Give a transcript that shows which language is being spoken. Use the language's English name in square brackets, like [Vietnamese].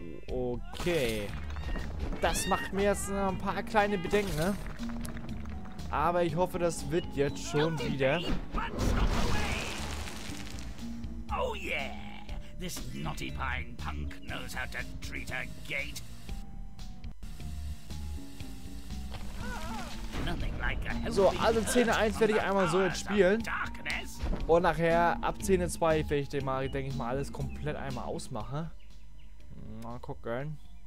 [German] Okay. Das macht mir jetzt noch ein paar kleine Bedenken, ne? Aber ich hoffe, das wird jetzt schon wieder. [English] Oh yeah! This naughty pine punk knows how to treat a gate. [German] So, also Szene 1 werde ich einmal so jetzt spielen. Und nachher ab Szene 2 werde ich den mal, denke ich mal, alles komplett einmal ausmachen. Mal gucken.